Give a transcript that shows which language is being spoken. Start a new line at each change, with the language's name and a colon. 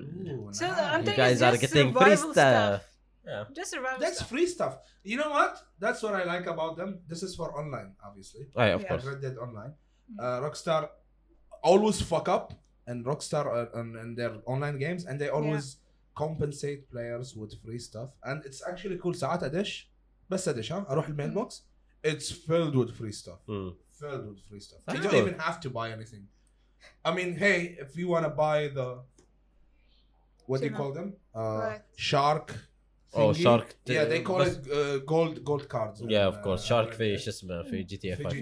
English: Ooh, nice. So you guys are getting free stuff. Just survival That's stuff. Free stuff. You know what? That's what I like about them. This is for online, obviously. Oh, yeah, of course. Red Dead Online. Rockstar always fuck up, and Rockstar and their online games, and they always compensate players with free stuff. And it's actually cool.
Arabic: ساعات أدش بس أدش ها أروح المينبوكس.
English: It's filled with free stuff. Filled with free stuff. That's you don't even have to buy anything. I mean, hey, if you want to buy the, what do you call them? Shark thingy. Oh, shark. They call it gold cards. Yeah, of course. Shark fish, just for GTA 5.